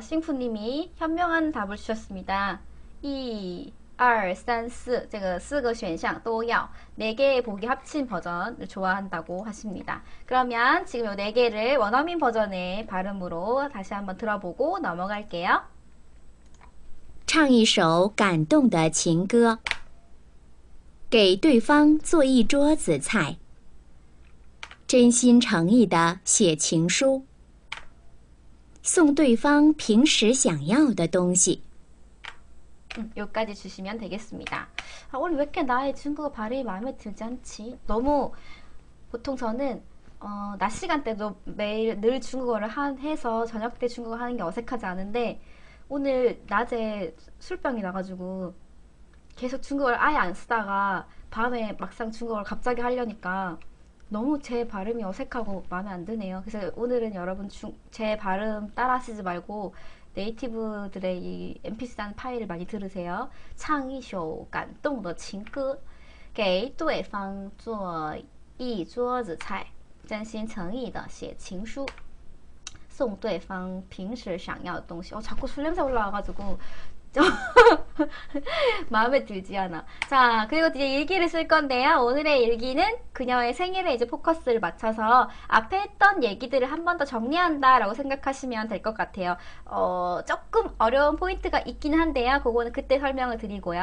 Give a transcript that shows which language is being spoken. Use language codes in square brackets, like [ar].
[ko] 싱프님이 현명한 답을 주셨습니다. 1, 2, 3, 4. 제가 4개 [zh] 选项 [ko] 또 要. 4개의 보기 합친 버전을 좋아한다고 하십니다. 그러면 지금 이 4개를 원어민 버전의 발음으로 다시 한번 들어보고 넘어갈게요. [zh] 唱一首感动的情歌，给对方做一桌子菜，真心诚意的写情书，送对方平时想要的东西。 [ko] 여기까지 주시면 되겠습니다. 아, 오늘 왜 이렇게 나의 중국어 발음이 마음에 들지 않지? 너무 보통 저는 낮 시간대도 매일 늘 중국어를 해서 저녁 때 중국어 하는 게 어색하지 않은데 오늘 낮에 술병이 나가지고 계속 중국어를 아예 안 쓰다가 밤에 막상 중국어를 갑자기 하려니까 너무 제 발음이 어색하고 마음에 안 드네요. 그래서 오늘은 여러분 제 발음 따라 하시지 말고 네이티브들의 이 MP3 파일을 많이 들으세요. 창의쇼, 감동의 [zh] 情歌, 给对方做一桌子菜，真心诚意的写情书，送对方平时想要的东西。 [ko] 자꾸 술냄새 올라와가지고 마음에 들지 않아. 자, 그리고 이제 일기를 쓸 건데요. 오늘의 일기는 그녀의 생일에 이제 포커스를 맞춰서 앞에 했던 얘기들을 한번더 정리한다라고 생각하시면 될것 같아요. 조금 어려운 포인트가 있긴 한데요. 그거는 그때 설명을 드리고요.